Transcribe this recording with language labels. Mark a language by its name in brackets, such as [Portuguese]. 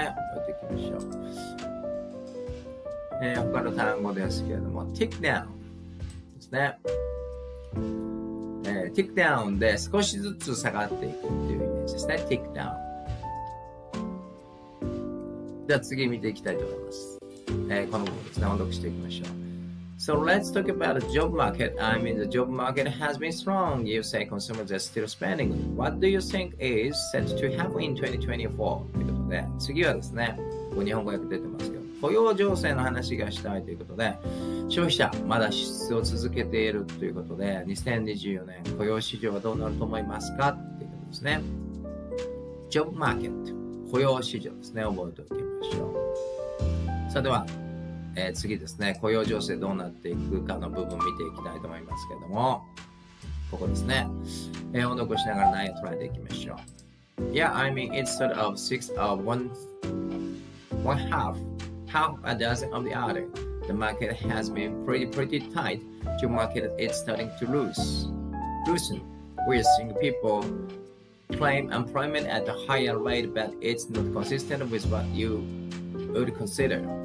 [Japanese] やっていきましょう。他の単語ですけれども、ティックダウンですね。ティックダウンで少しずつ下がっていくというイメージですね。ティックダウン。では次見ていきたいと思います。この部分ですね、音読していきましょう。 [English] So let's talk about the job market. I mean, the job market has been strong. You say consumers are still spending. What do you think is set to happen in 2024? [Japanese] ということで、次はですね、ここ日本語訳出てますけど、雇用情勢の話がしたいということで、消費者、まだ支出を続けているということで、2024年、雇用市場はどうなると思いますかということですね。 [English] Job market。 [Japanese] 雇用市場ですね、覚えておきましょう。さあでは、次ですね、雇用情勢どうなっていくかの部分見ていきたいと思いますけれども、ここですね、音読しながら内容を捉えていきましょう。 [English] Yeah, I mean, it's sort of six of one half a dozen of the other. The market has been pretty tight. The market is starting to loosen. We're seeing people claim employment at a higher rate, but it's not consistent with what you would consider.